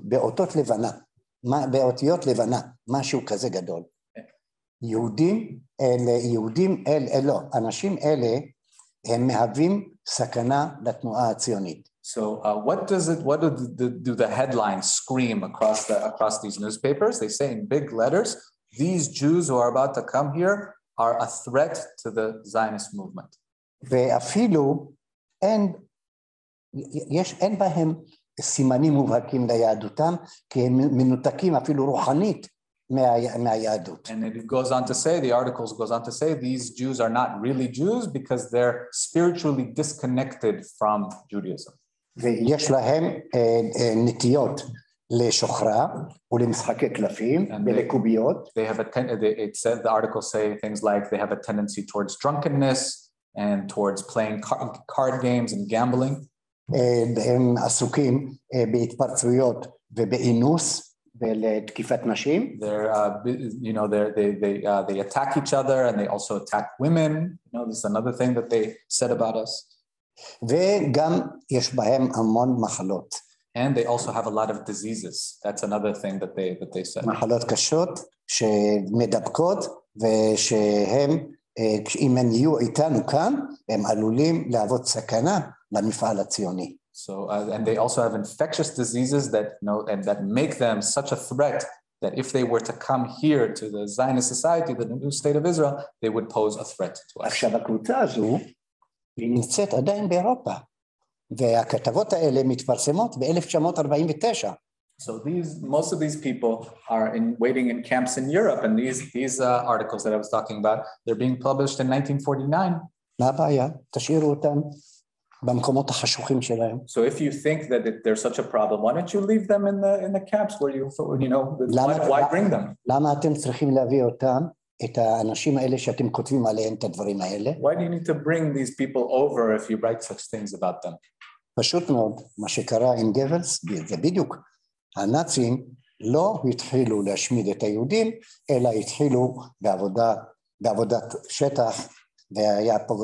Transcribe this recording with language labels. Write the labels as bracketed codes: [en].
[he] באותות לבנה, באותיות לבנה, משהו כזה גדול. יהודים אלה, אנשים אלה, הם מהווים סכנה לתנועה הציונית. [en] So what do the headlines scream across these newspapers? They say in big letters, these Jews who are about to come here are a threat to the Zionist movement. [he] ואפילו אין, יש, אין בהם סימנים מובהקים ליהדותם, כי הם מנותקים אפילו רוחנית מהיהדות. [en] And it goes on to say, the articles goes on to say, these Jews are not really Jews because they're spiritually disconnected from Judaism. [he] ויש להם נטיות לשוחרה ולמשחקי קלפים ולקוביות. [en] They have a it said, the articles say things like they have a tendency towards drunkenness and towards playing card games and gambling. [he] הם עסוקים בהתפרצויות ובאינוס ולתקיפת נשים. [en] They're you know, they attack each other and they also attack women. You know, this is another thing that they said about us. [he] וגם יש בהם המון מחלות. [en] And they also have a lot of diseases. That's another thing that they said. [he] מחלות קשות שמדבקות, ושהם, אם הם יהיו איתנו כאן, הם עלולים להוות סכנה למפעל הציוני. [en] So and they also have infectious diseases that know and that make them such a threat that if they were to come here to the Zionist society, the new state of Israel, they would pose a threat to us. [he] עכשיו הקבוצה הזו נמצאת עדיין באירופה, והכתבות האלה מתפרסמות ב-1949. [en] So most of these people are waiting in camps in Europe, and these articles that I was talking about, they're being published in 1949. [he] מה הבעיה? תשאירו אותם במקומות החשוכים שלהם. [en] So if you think that there's such a problem, why don't you leave them in the camps where you know, why bring them? [he] למה אתם צריכים להביא אותם? את האנשים האלה שאתם כותבים עליהם את הדברים האלה. [en] Why do you need to bring these people over if you write such things about them? [he] פשוט מאוד, מה שקרה עם גבלס, זה בדיוק, הנאצים לא התחילו להשמיד את היהודים, אלא התחילו בעבודת שטח, והיה